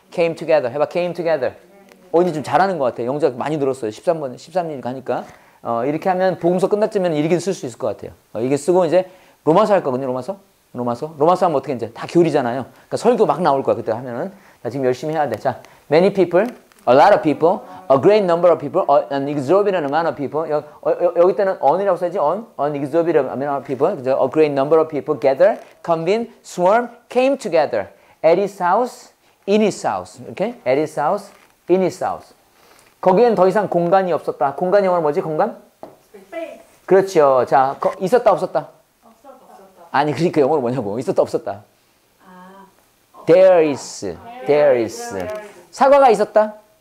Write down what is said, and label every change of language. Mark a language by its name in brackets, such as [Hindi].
[English] Came together. [Korean] 해봐. [English] Came together. [Korean] 어, 이제 좀 잘하는 것 같아. 영자 많이 늘었어요. 13번, 13년이 가니까. 이렇게 하면 복음서 끝났으면 이렇게 쓸 수 있을 것 같아요. 이게 쓰고 이제 로마서 할 거거든요. 로마서? 로마서? 로마서 하면 어떻게 이제 다 교리잖아요. 그러니까 설교 막 나올 거야. 그때 하면은. 나 지금 열심히 해야 돼. 자, [English] many people. A lot of people, a great number of people, an exorbitant amount of people. [Korean] 여기 때는 on이라고 써야지, on. [English] An exorbitant amount of people, a great number of people gather, convene, swarm, came together. At his house, in his house. Okay? At his house, in his house. [Korean] 거기엔 더 이상 공간이 없었다. 공간 영어는 뭐지, 공간? [English] Space. [Korean] 그렇죠. 자, 있었다, 없었다? 없었다. 아니, 그러니까 영어로 뭐냐고. 있었다, 없었다? 아, [English] there is. There is. There is. [Korean] 사과가 있었다?